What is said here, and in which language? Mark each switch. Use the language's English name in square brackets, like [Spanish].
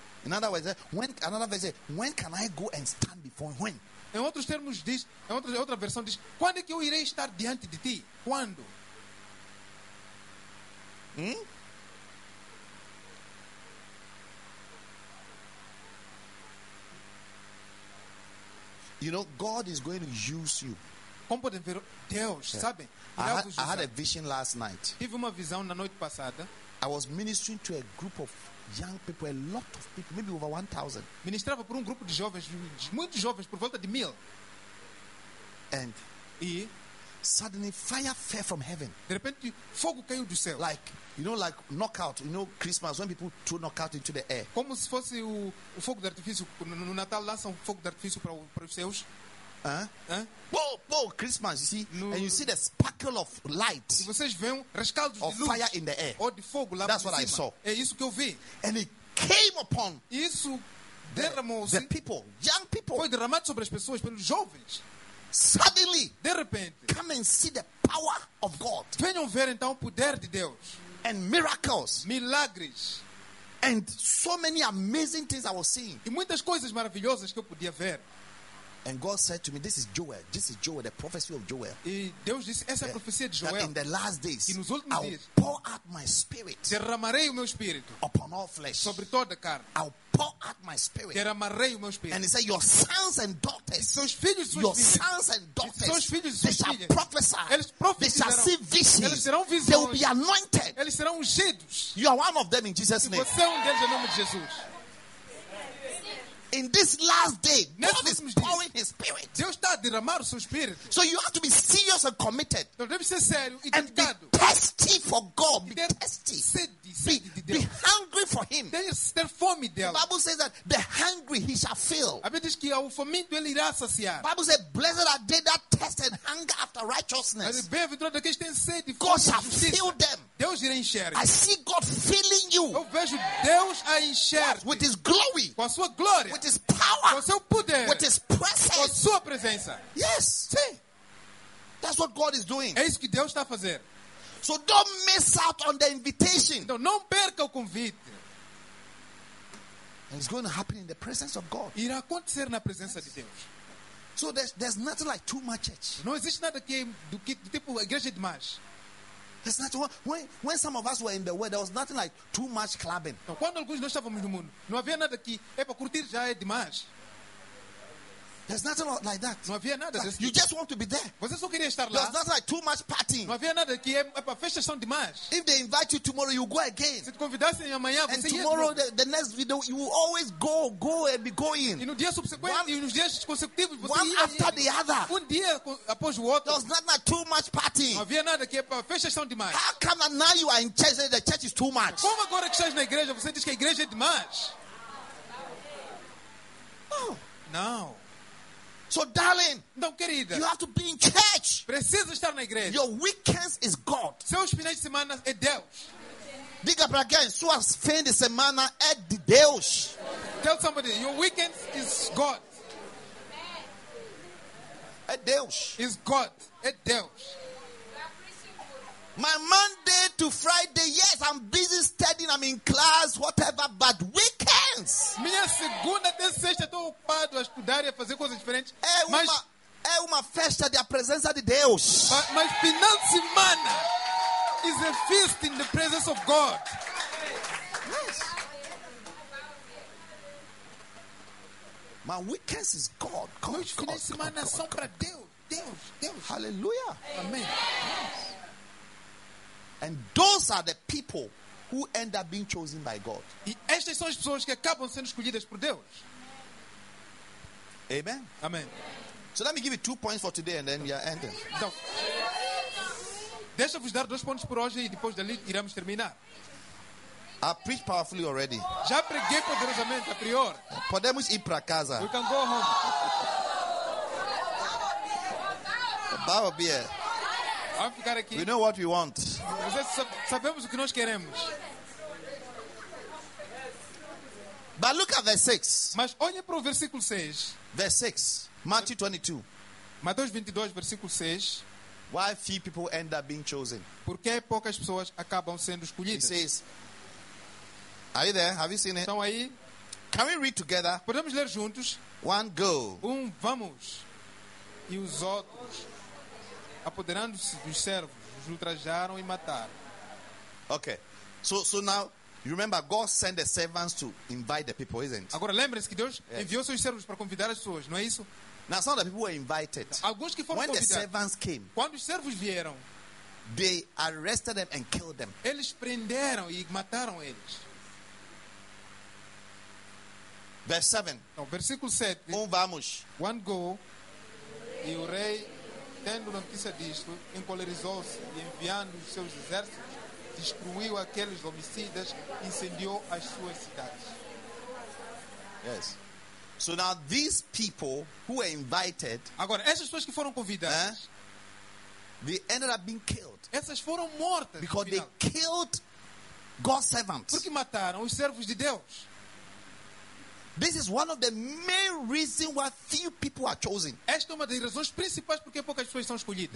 [English] In other words, when another verse, when can I go and stand before when? [Portuguese] Em outros termos diz, em outra versão diz, quando é que eu irei estar diante de ti? Quando? Hmm? [English] You know, God is going to use you. [Portuguese] Como podem ver, Deus, yeah. Sabe? [English] I had a vision last night. [Portuguese] Tive uma visão na noite passada. [English] I was ministering to a group of young people, a lot of people, maybe over 1,000. [Portuguese] Ministrava por grupo de jovens, muitos jovens, por volta de 1,000. [English] And [Portuguese] e [English] suddenly fire fell from heaven. [Portuguese] De repente, fogo caiu do céu. [English] Like, you know, like knockout, you know, Christmas when people throw knockout into the air. [Portuguese] Como se fosse o fogo de artifício no Natal, lançam fogo de artifício para os céus. [English] Boom, Christmas, you see? And you see the sparkle of light. [Portuguese] E vocês veem rascaldos [English] of [Portuguese] de luz, [English] fire in the air. [Portuguese] Ou de fogo lá. [English] That's [Portuguese] por [English] what [Portuguese] cima. [English] I saw. [Portuguese] É isso que eu vi. [English] And it came upon. [Portuguese] Isso derramou-se. [English] The people, young people. [Portuguese] Foi derramado sobre as pessoas, pelos jovens. [English] Suddenly, [Portuguese] de repente, [English] come and see the power of God. [Portuguese] Venham ver então o poder de Deus. [English] And miracles, [Portuguese] milagres, [English] and so many amazing things I was seeing. [Portuguese] E muitas coisas maravilhosas que eu podia ver. [English] And God said to me, "This is Joel, the prophecy of Joel." [Portuguese] E Deus disse, essa é a profecia de Joel. [English] In the last days, [Portuguese] e nos últimos [English] I'll [Portuguese] dias, [English] pour out my spirit. [Portuguese] Derramarei o meu espírito [English] upon all flesh. [Portuguese] Sobre toda a carne. [English] I'll pour out my spirit. [Portuguese] Derramarei o meu espírito. [English] And he said, "Your sons and daughters, [Portuguese] seus filhos, [English] your [Portuguese] filhos, [English] sons and daughters, [Portuguese] seus filhos, [English] they shall [Portuguese] filhas, [English] prophesy. [Portuguese] Eles profetizarão. [English] They shall see visions. [Portuguese] Eles serão visões. [English] They will be anointed. [Portuguese] Eles serão ungidos. [English] You are one of them in Jesus' name. [Portuguese] Você é deles em nome de Jesus." [English] In this last day, God is pouring His Spirit. [Portuguese] Deus está a derramar o seu espírito. [English] So you have to be serious and committed. [Portuguese] Então deve ser sério e [English] and [Portuguese] dedicado. [English] Be thirsty for God. Be thirsty. Be hungry for Him. [Portuguese] Ter fome dele. [English] The Bible says that the hungry He shall fill. [Portuguese] A Bíblia diz que ao faminto ele irá saciar. [English] Bible says, "Blessed are they that thirst and hunger after righteousness." [Portuguese] Bem-aventurado aqueles que têm sede. [English] God shall fill them. [Portuguese] Deus irá encher. [English] I see God filling you. [Portuguese] Eu vejo Deus a encher. [English] With His glory. [Portuguese] Com a sua glória. [English] With His power. [Portuguese] Com o seu poder. [English] With His presence. [Portuguese] Com a sua presença. [English] Yes. [Portuguese] Sim. [English] That's what God is doing. [Portuguese] É isso que Deus está a fazer. [English] So don't miss out on the invitation. [Portuguese] Então, não perca o convite. [English] And it's going to happen in the presence of God. [Portuguese] Irá acontecer na presença de Deus. [English] So there's nothing like too much church. [Portuguese] Não existe nada que tipo igreja demais. [English] There's nothing. When some of us were in the world, there was nothing like too much clubbing. [Portuguese] Então, quando alguns nós estávamos no mundo, não havia nada que é para curtir já é demais. [English] There's nothing like that. [Portuguese] Não havia nada. [English] Like, you just want to be there. [Portuguese] Você só queria estar lá. [English] There's nothing like too much partying. [Portuguese] Não havia nada que é para fechar são demais. [English] If they invite you tomorrow, you go again. [Portuguese] Se te convidassem amanhã, [English] and [Portuguese] você [English] tomorrow the next video, you will always go and be going. [Portuguese] E no dia subsequente, [English] one, [Portuguese] e nos dias consecutivos, você [English] one after the other. [Portuguese] Um dia após o outro. [English] There's nothing like too much partying. [Portuguese] Não havia nada que é para fechar são demais. [English] How come that now you are in church and the church is too much? [Portuguese] Como agora que estás na igreja, você diz que a igreja é demais? [English] Não. So darling, [Portuguese] não, querida, [English] you have to be in church. [Portuguese] Precisa estar na igreja. [English] Your weekends is God. [Portuguese] Seus finais de semana é Deus. Diga para alguém, sua fim de semana é de Deus. [English] Tell somebody, your weekends is God. [Portuguese] É Deus. [English] Is God. [Portuguese] É Deus. [English] My Monday to Friday, yes, I'm busy studying, I'm in class, whatever, but weekends. [Portuguese] Minha segunda até sexta estou ocupado a estudar e a fazer coisas diferentes. É uma festa da presença de Deus. Mas final de semana [English] is a feast in the presence of God. Yes. My weekends is God. [Portuguese] Meus finais de semana são para Deus. Deus, Deus. [English] Hallelujah. Amen. Yes. And those are the people who end up being chosen by God. [Portuguese] E estas são as pessoas que acabam sendo escolhidas por Deus. [English] Amen. Amen. So let me give you 2 points for today and then we are ending. [Portuguese] Então, deixa-vos dar 2 pontos por hoje e depois dali iremos terminar. [English] I preached powerfully already. [Portuguese] Já preguei poderosamente a priori. Podemos ir para casa. [English] We can go home. Bava beer. [Portuguese] Vamos ficar aqui. [English] We know what we want. [Portuguese] Sabemos o que nós queremos. [English] But look at verse 6. [Portuguese] Mas olhe para o versículo 6. [English] Verse 6. Matthew 22. [Portuguese] Mateus 22, versículo 6. [English] Why few people end up being chosen? [Portuguese] Por que poucas pessoas acabam sendo escolhidas? [English] It says, are you there? Have you seen it? [Portuguese] Estão aí? [English] Can we read together? [Portuguese] Podemos ler juntos? [English] One go. [Portuguese] Vamos. E os outros, apoderando-se dos servos, os ultrajaram e mataram. [English] Okay. So now, you remember God sent the servants to invite the people, isn't it? [Portuguese] Agora lembre-se que Deus enviou seus servos para convidar as pessoas, não é isso? [English] Now some of the people were invited. [Portuguese] Alguns que foram [English] when the servants came, [Portuguese] quando os servos vieram, [English] they arrested them and killed them. [Portuguese] Eles prenderam e mataram eles. [English] Verse 7. [Portuguese] No, versículo 7. Vamos. [English] One go. [Portuguese] E o rei, tendo notícia disto, encolerizou-se e enviando os seus exércitos, destruiu aqueles homicidas e incendiou as suas cidades. [English] Yes. So now these people who were invited, [Portuguese] agora essas pessoas que foram convidadas, [English] they ended up being killed. [Portuguese] Essas foram mortas [English] because they killed God's servants. [Portuguese] Porque mataram os servos de Deus. [English] This is one of the main reasons why few people are chosen. [Portuguese] Esta é uma das razões principais porque poucas pessoas são escolhidas.